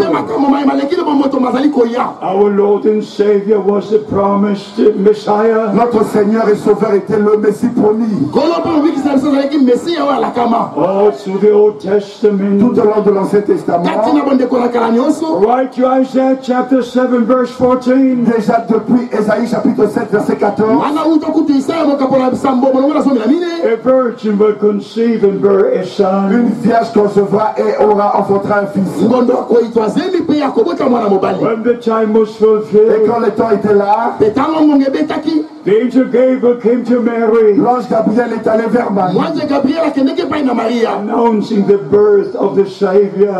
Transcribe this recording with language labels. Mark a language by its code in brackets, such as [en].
[en] Our Lord and Savior was the promised Messiah. [fr] Notre Seigneur et Sauveur était le Messie promis. [en] Oh, to the Old Testament. [fr] Tout au long de l'Ancien Testament. [en] Write to Isaiah chapter 7, verse 14. [fr] Déjà depuis Esaïe chapitre 7, verset 14. [en] A virgin will conceive and bear a son. [fr] Une vierge concevra et aura enfantera un fils. [en] When the time was fulfilled, [fr] et quand le temps était là, [en] the angel Gabriel came to Mary. [fr] L'ange Gabriel est allé vers Marie. [en] Announcing the birth of the Savior.